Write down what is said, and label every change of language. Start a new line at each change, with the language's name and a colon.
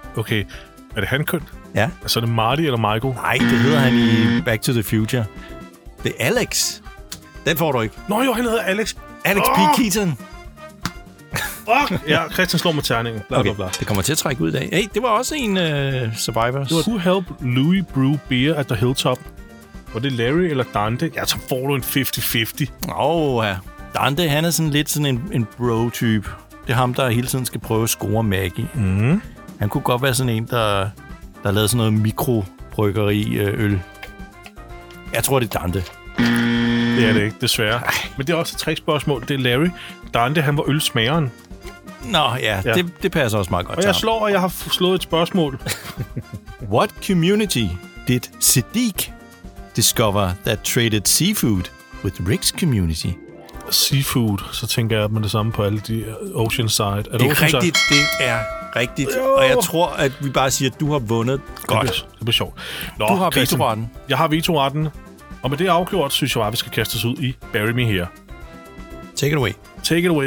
Danish: Okay, er det hankøn? Ja. Altså, er det Marty eller Michael? Nej, det hedder han i Back to the Future. Det er Alex. Den får du ikke. Nå jo, han hedder Alex. Alex P. Keaton. Fuck! Ja, Christian slår med terningen. Blablabla. Okay, det kommer til at trække ud i dag. Hey, det var også en Survivors.
English: Who helped Louis brew beer at the Hilltop?
Danish: Var det Larry eller Dante? Ja, så får du en 50-50. Ja. Dante, han er sådan lidt sådan en bro-type. Det er ham, der hele tiden skal prøve at score Maggie. Mm. Han kunne godt være sådan en, der lavede sådan noget mikrobryggeri-øl. Jeg tror, det er Dante. Det er det ikke, desværre. Ej. Men det er også et trickspørgsmål. Det er Larry. Dante, han var ølsmageren. Nå, ja. Det passer også meget godt. Og jeg slår, og jeg har slået et spørgsmål.
English: What community did Sadiq discover that traded seafood with Rick's community?
Danish: Seafood, så tænker jeg, at man det samme på alle de Oceanside. Er det er rigtigt, det er rigtigt. Jo. Og jeg tror, at vi bare siger, at du har vundet godt. Det bliver sjovt. Nå, du har vetoretten. Jeg har vetoretten. Og med det afgjort, synes jeg bare, vi skal kaste os ud i Bury Me Here.
English: Take it away